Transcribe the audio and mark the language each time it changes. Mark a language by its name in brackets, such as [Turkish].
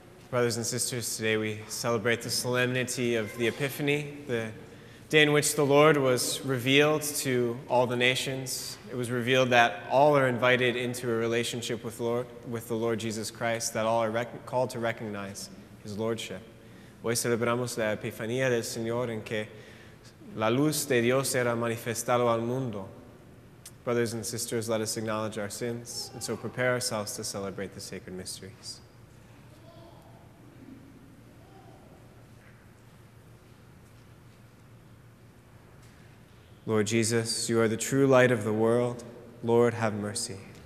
[English] Brothers and sisters, today we celebrate the solemnity of the Epiphany, the day in which the Lord was revealed to all the nations. It was revealed that all are invited into a relationship with the Lord Jesus Christ, that all are called to recognize His Lordship. [Spanish] Hoy celebramos la Epifanía del Señor en que la luz de Dios era manifestado al mundo. [English] Brothers and sisters, let us acknowledge our sins and so prepare ourselves to celebrate the sacred mysteries. Lord Jesus, you are the true light of the world. Lord, have mercy.